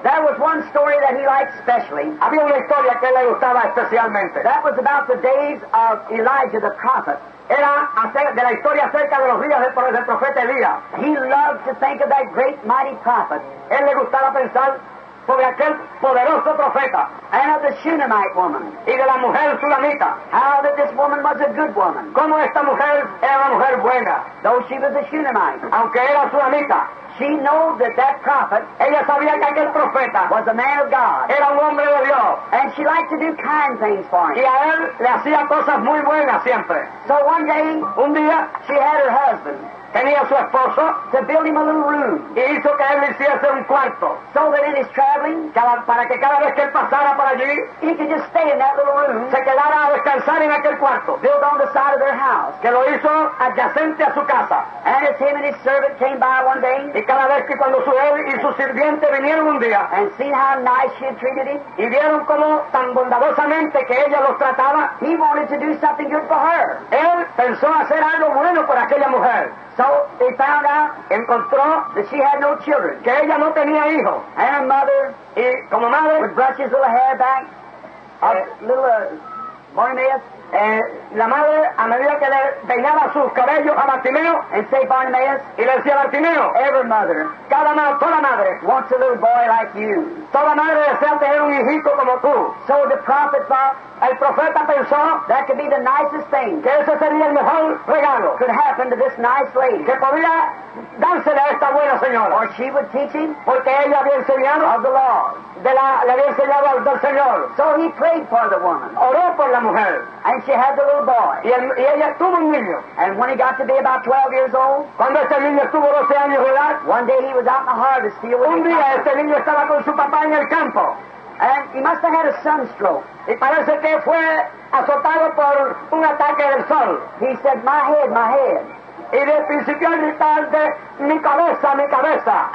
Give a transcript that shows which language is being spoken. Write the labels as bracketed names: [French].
[English] There was one story that he liked specially. [Spanish] Había una historia que le gustaba especialmente. [English] That was about the days of Elijah the prophet. [Spanish] Era de la historia acerca de los días del profeta Elías. [English] He loved to think of that great mighty prophet. [Spanish] Él le gustaba pensar sobre aquel poderoso profeta. [English] And of the Shunammite woman. [Spanish] Y de la mujer Shunamita. [English] How that this woman was a good woman. [Spanish] Como esta mujer era una mujer buena. [English] Though she was a Shunammite. [Spanish] Aunque era Shunamita. [English] She knew that that prophet. [Spanish] Ella sabía que aquel profeta. [English] Was a man of God. [Spanish] Era un hombre de Dios. [English] And she liked to do kind things for him. [Spanish] Y a él le hacía cosas muy buenas siempre. [English] So one day. [Spanish] Un día. [English] She had her husband. [Spanish] Tenía su esposo, [English] to build him a little room. [Spanish] Y hizo que él hiciese un cuarto. [English] So that in his traveling, [Spanish] para que cada vez que él pasara por allí, [English] he could just stay in that little room. [Spanish] Se quedara a descansar en aquel cuarto. [English] Built on the side of their house. [Spanish] Que lo hizo adyacente a su casa. [English] And as him and his servant came by one day, [Spanish] y cada vez que cuando su él y su sirviente vinieron un día, [English] and seen how nice she had treated him, [Spanish] y vieron cómo tan bondadosamente que ella los trataba, [English] he wanted to do something good for her. [Spanish] Él pensó hacer algo bueno por aquella mujer. [English] So they found out, [Spanish] encontró, [English] that she had no children. [Spanish] Que ella no tenía hijos. [English] And her mother, [Spanish] y como madre, [English] would brush his little hair back, little Bartimaeus. [Spanish] La madre, a medida que le peinaba sus cabellos a Bartimeo, [English] and say Bartimaeus, [Spanish] y le decía Bartimeo, [English] every mother, [Spanish] toda madre, [English] wants a little boy like you. [Spanish] Toda madre desea tener un hijito como tú. [English] So the prophet thought, [Spanish] el profeta pensó, [English] that could be the nicest thing, [Spanish] que ese sería el mejor regalo, [English] could happen to this nice lady, [Spanish] que podría dársele a esta buena señora, [English] or she would teach him, [Spanish] porque ella había enseñado, [English] of the law, [Spanish] le había enseñado al del Señor. [English] So he prayed for the woman, [Spanish] oró por la mujer, [English] and she had the little boy, [Spanish] y ella tuvo un niño. [English] And when he got to be about 12 years old, [Spanish] cuando este niño estuvo 12 años de edad, [English] one day he was out in the harvest field, [Spanish] un día este niño estaba con su papá en el campo, [English] and he must have had a sunstroke. [Spanish] Y parece que fue azotado por un ataque del sol. [English] He said, my head, my head. [Spanish] Y de principio a gritar de mi cabeza, mi cabeza.